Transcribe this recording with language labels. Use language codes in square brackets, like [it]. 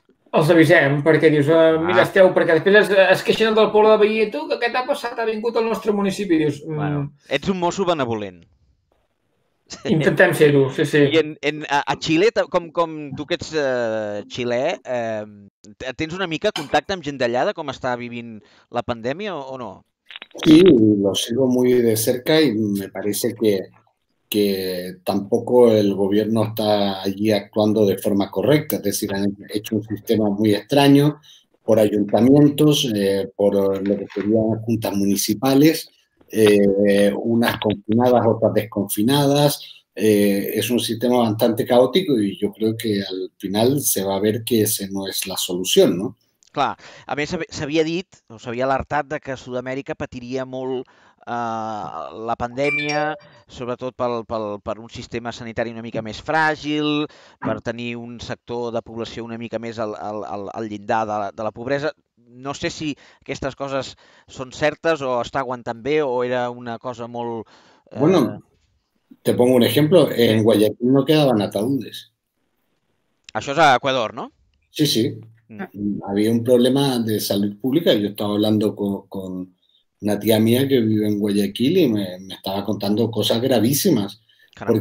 [ca] Els avisem, perquè dius, mira, esteu, perquè després es queixen del poble de veí, i tu, què t'ha passat? Ha vingut al nostre municipi. Dius, Ets un mosso benevolent. Intentem ser-ho, sí, sí. I a Xile, com tu que ets xilè, tens una mica contacte amb gent d'allà de com està vivint la pandèmia o no? [es] Sí, lo sigo muy de cerca y me parece que tampoco el gobierno está allí actuando de forma correcta, es decir, han hecho un sistema muy extraño por ayuntamientos, por lo que serían juntas municipales, unas confinadas, otras desconfinadas, es un sistema bastante caótico y yo creo que al final se va a ver que ese no es la solución, ¿no? [ca] Clar, a més s'havia dit, o s'havia alertat de que Sud-amèrica patiria molt la pandèmia, sobretot per un sistema sanitari una mica més fràgil, per tenir un sector de població una mica més al llindar de la pobresa. No sé si aquestes coses són certes o està aguantant bé o era una cosa molt... [es] Bueno, te pongo un ejemplo. En Guayaquil no quedaban ataúdes. [ca] Això és a Ecuador, no? [es] Sí, sí. Había un problema de salud pública. Yo estaba hablando con una tía mía que vive en Guayaquil y me estaba contando cosas gravísimas. Caramba.